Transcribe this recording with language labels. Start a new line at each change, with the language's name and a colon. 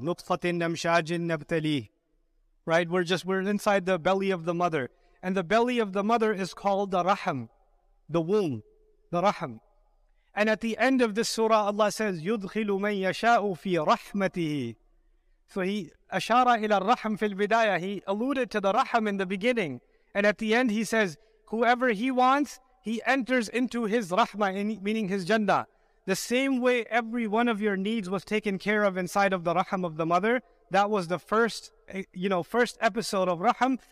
Arabic: نُطْفَةٍ نَمْشَاجٍ نَبْتَلِيهِ.
English: Right? We're inside the belly of the mother. And the belly of the mother is called the rahm, the womb, the rahm. And at the end of this surah, Allah says,
Arabic: يُدْخِلُ مَنْ يَشَاءُ فِي رَحْمَتِهِ.
English: So He
Arabic: أَشَارَ إِلَى الرَّحْمْ فِي الْبِدَايَةِ.
English: He alluded to the rahm in the beginning. And at the end, He says, whoever He wants, He enters into His rahmah, meaning His jannah. The same way every one of your needs was taken care of inside of the rahm of the mother. That was the first episode of rahm.